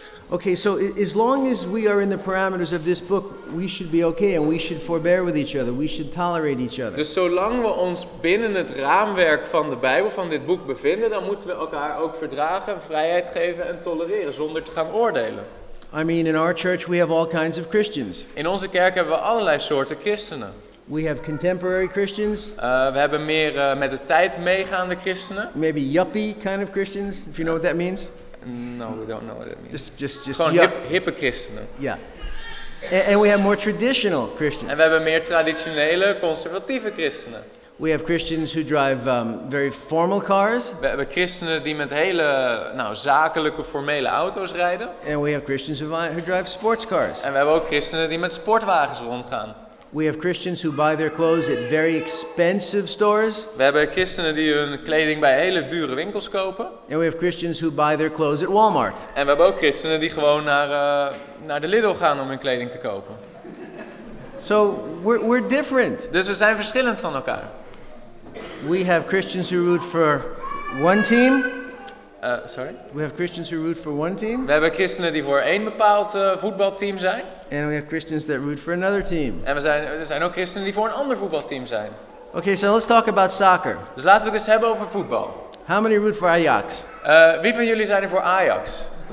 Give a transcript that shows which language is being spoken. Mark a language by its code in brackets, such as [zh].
[en] Okay, so as long as we are in the parameters of this book, we should be okay and we should forbear with each other. We should tolerate each other. [nl] Dus zolang we ons binnen het raamwerk van de Bijbel, van dit boek bevinden, dan moeten we elkaar ook verdragen en vrijheid geven en tolereren zonder te gaan oordelen. [en] I mean, in our church we have all kinds of Christians. [nl] In onze kerk hebben we allerlei soorten christenen. [en] We have contemporary Christians. [nl] We hebben meer met de tijd meegaande christenen. [en] Maybe yuppie kind of Christians, if you know what that means. No, we don't know what that means. Just [nl] gewoon hippe christenen. [en] Yeah. And we have more traditional Christians. [nl] En we hebben meer traditionele, conservatieve christenen. [en] We have Christians who drive very formal cars. [nl] We hebben christenen die met hele, nou, zakelijke, formele auto's rijden. [en] And we have Christians who drive sports cars. [nl] En we hebben ook christenen die met sportwagens rondgaan. [en] We have Christians who buy their clothes at very expensive stores. [nl] We hebben christenen die hun kleding bij hele dure winkels kopen. [en] And we have Christians who buy their clothes at Walmart. [nl] En we hebben ook christenen die gewoon naar de Lidl gaan om hun kleding te kopen. [en] So we're different. [nl] Dus we zijn verschillend van elkaar. [en] We have Christians who root for one team. We have Christians who root for one team. [nl] We hebben christenen die voor één bepaald voetbalteam zijn. [en] And we have Christians that root for another team. [nl] En er zijn ook christenen die voor een ander voetbalteam zijn. [en] Okay, so let's talk about soccer. [nl] Dus laten we het eens hebben over voetbal. [en] How many root for Ajax? [nl] Wie van jullie zijn er voor Ajax?